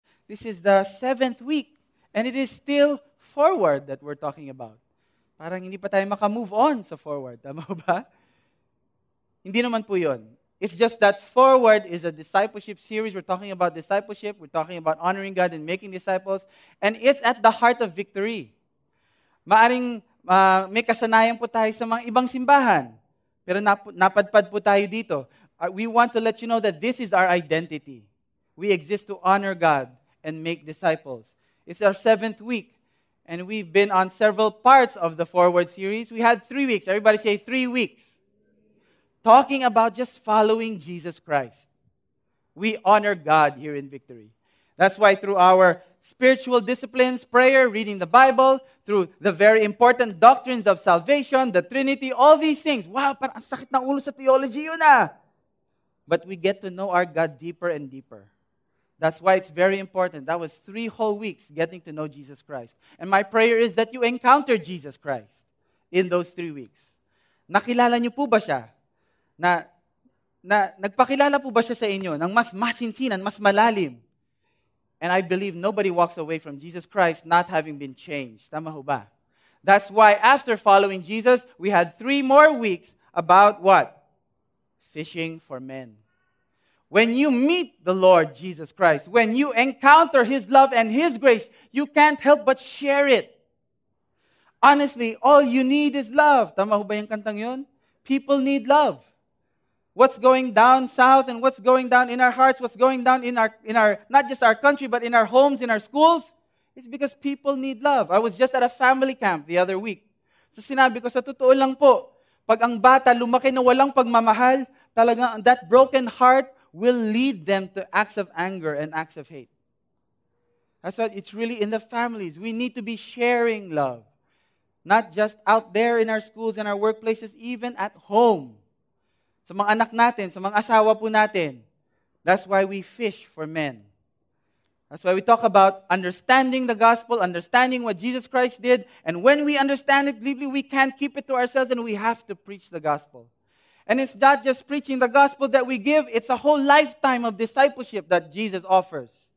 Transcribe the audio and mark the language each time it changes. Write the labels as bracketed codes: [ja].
[en] This is the seventh week and it is still forward that we're talking about. [tl] Parang hindi pa tayo maka-move on sa forward, tama ba? Hindi naman po yun. [en] It's just that Forward is a discipleship series. We're talking about discipleship. We're talking about honoring God and making disciples. And it's at the heart of Victory. [tl] Maaring may kasanayan po tayo sa mga ibang simbahan. Pero napadpad po tayo dito. [en] We want to let you know that this is our identity. We exist to honor God and make disciples. It's our seventh week. And we've been on several parts of the Forward series. We had 3 weeks. Everybody say 3 weeks. Talking about just following Jesus Christ. We honor God here in Victory. That's why through our spiritual disciplines, prayer, reading the Bible, through the very important doctrines of salvation, the Trinity, all these things. [tl] Wow, parang sakit ng ulo sa theology yun ah. [en] But we get to know our God deeper and deeper. That's why it's very important. That was 3 whole weeks getting to know Jesus Christ. And my prayer is that you encounter Jesus Christ in those 3 weeks. [tl] Nakilala niyo po ba siya? Na nagpakilala po ba siya sa inyo ng mas masinsinan, mas malalim? [en] And I believe nobody walks away from Jesus Christ not having been changed. [tl] Tama ho ba? [en] That's why after following Jesus, we had 3 more weeks about what? Fishing for men. When you meet the Lord Jesus Christ, when you encounter His love and His grace, you can't help but share it. Honestly, all you need is love. [tl] Tama ho ba yung kantang yun? [en] People need love. What's going down south and what's going down in our hearts, what's going down in our not just our country, but in our homes, in our schools, it's because people need love. I was just at a family camp the other week. [tl] So sinabi ko, sa totoo lang po, pag ang bata lumaki na walang pagmamahal, talaga [en] that broken heart will lead them to acts of anger and acts of hate. That's why it's really in the families. We need to be sharing love. Not just out there in our schools, in our workplaces, even at home. [tl] Sa mga anak natin, sa mga asawa po natin. [en] That's why we fish for men. That's why we talk about understanding the gospel, understanding what Jesus Christ did, and when we understand it deeply, we can't keep it to ourselves and we have to preach the gospel. And it's not just preaching the gospel that we give, it's a whole lifetime of discipleship that Jesus offers.